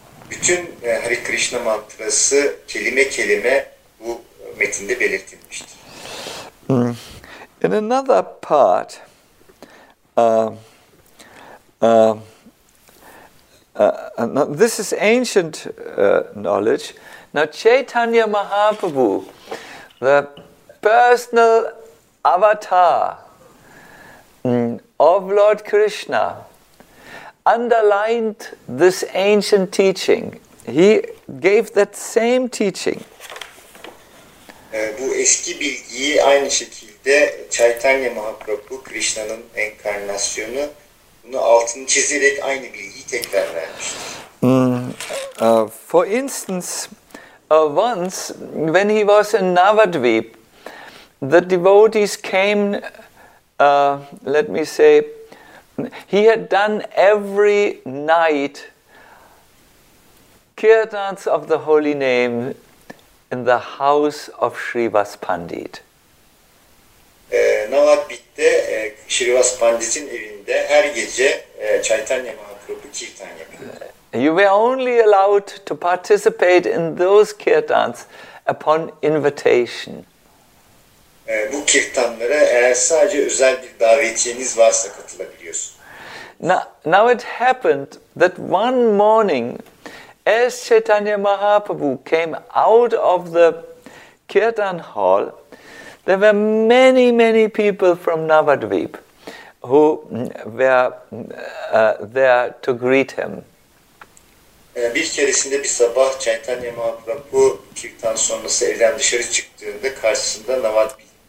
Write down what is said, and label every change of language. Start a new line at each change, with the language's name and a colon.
Turkish: Bütün Hare Krishna mantrası kelime kelime bu metinde belirtilmiştir.
English: In another part, this is ancient knowledge. Now, Chaitanya Mahaprabhu, the personal avatar of Lord Krishna, underlined this ancient teaching. He gave that same teaching.
Turkish: Bu eski bilgiyi aynı şekilde Chaitanya Mahaprabhu, Krishna'nın enkarnasyonu, bunu altını çizerek aynı bilgiyi tekrar vermiştir.
English: For instance, once when he was in Navadvip, the devotees came, let me say, he had done every night kirtans of the holy name in the house of Srivas Pandit.
Turkish: Navadvip'te Srivas Pandit'in evinde her gece Chaitanya Mahaprabhu kirtan yapıyordu.
English: You were only allowed to participate in those kirtans upon invitation.
Turkish: Bu kirtanlara eğer sadece özel bir davetiyeniz varsa katılabiliyorsunuz.
English: Now it happened that one morning, as Chaitanya Mahaprabhu came out of the kirtan hall, there were many, many people from Navadvip who were there to greet him.
Turkish: Bir keresinde bir sabah Chaitanya Mahaprabhu kirtan sonrası evden dışarı çıktığında karşısında Navadvip